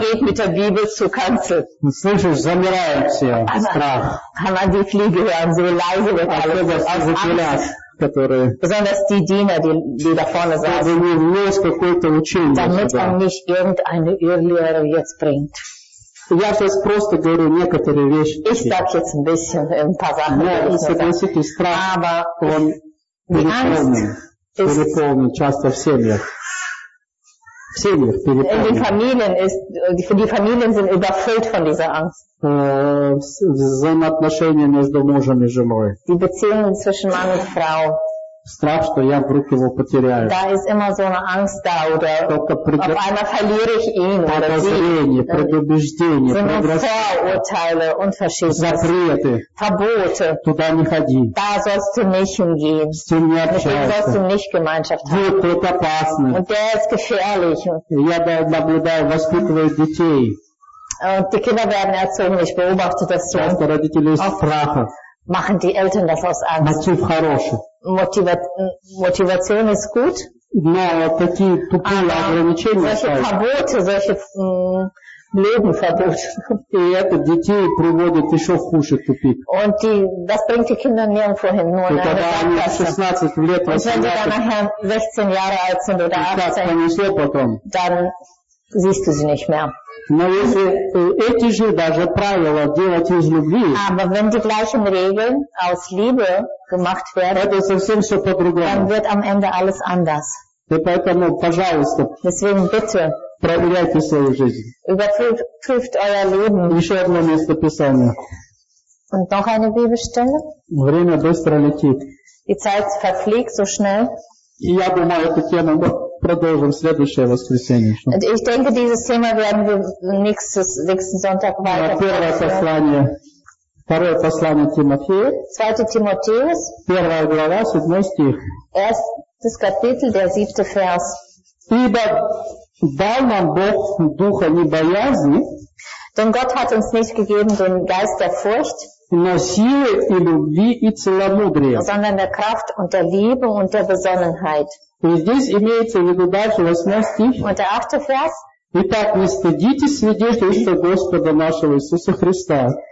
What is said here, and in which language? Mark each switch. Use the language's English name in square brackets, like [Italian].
[German] geht mit der Bibel zur Kanzel. Kann man die Fliege hören, so leise wird alles. Also, [Russian] которые... [German] Besonders die Diener, die da vorne saßen. Damit er nicht irgendeine Irrlehre jetzt bringt. [Russian] Я сейчас просто говорю некоторые вещи. [German] Ich sag jetzt ein bisschen ein paar Sachen. [Russian] Нет, [German] ich [Russian] страх, [German] aber [Russian] он переполнен часто в семьях. В семьях переполнен. [German] In den Familien ist, die Familien sind überfüllt von dieser Angst. [Russian] Взаимоотношения между мужем и женой. [German] Die Beziehungen zwischen Mann und Frau. [Russian] Страх, что я вдруг его потеряю. [German] Da ist immer so eine Angst da, oder auf einmal verliere ich ihn oder sie. [Russian] Подозрение, предубеждение, [German] Vorurteile, Unverschämtheit. [Russian] Запреты. [German] Verbote. [Russian] Туда не ходи. [German] Da sollst du nicht hingehen. [Russian] С ним не общайся. [German] Mit ihm sollst du nicht Gemeinschaft haben. [Russian] Вот, это опасно. [German] Und der ist gefährlich. [Russian] Я наблюдаю, воспитываю детей. [German] Und die Kinder werden erzogen, ich beobachte das so. [Russian] Часто родители из страха. [German] Machen die Eltern das aus Angst. Motivation ist gut. Solche Verbote, solche Lebenverbote. Und das bringt die Kinder nirgendwo hin, nur in eine Sackgasse. Und wenn sie dann nachher 16 Jahre alt sind oder 18, dann siehst du sie nicht mehr. [Russian] Но если эти же даже правила делать из любви, [German] aber wenn die gleichen Regeln aus Liebe gemacht werden, [Russian] это совсем все по-другому. [German] Dann wird am Ende alles anders. [Russian] И поэтому, пожалуйста, [German] deswegen bitte, [Russian] проверяйте свою жизнь. [German] Überprüft euer Leben. [Russian] Еще одно место Писания. [German] Und noch eine Bibelstelle. [Russian] Время быстро летит. [German] Die Zeit verfliegt so schnell. [Russian] И я думаю, эту тему продолжим следующее воскресенье. [German] Ich denke, dieses Thema werden wir nächsten Sonntag weiter. [Russian] Первое послание. Второе послание Тимофею. [German] 2 Timotheus. [Russian] Первая глава, 7 стих. [German] Erstes Kapitel, der 7. Vers. [Russian] Ибо дал нам Бог духа не боязни. [German] Denn Gott hat uns nicht gegeben den Geist der Furcht. [Russian] Но силы и любви и целомудрия. [German] Sondern der Kraft und der Liebe und der Besonnenheit. [Russian] И здесь имеется в виду дальше 8 стих. [German] Und der 8. Vers. [Russian] Итак, не стыдитесь свидетельства Господа нашего Иисуса Христа.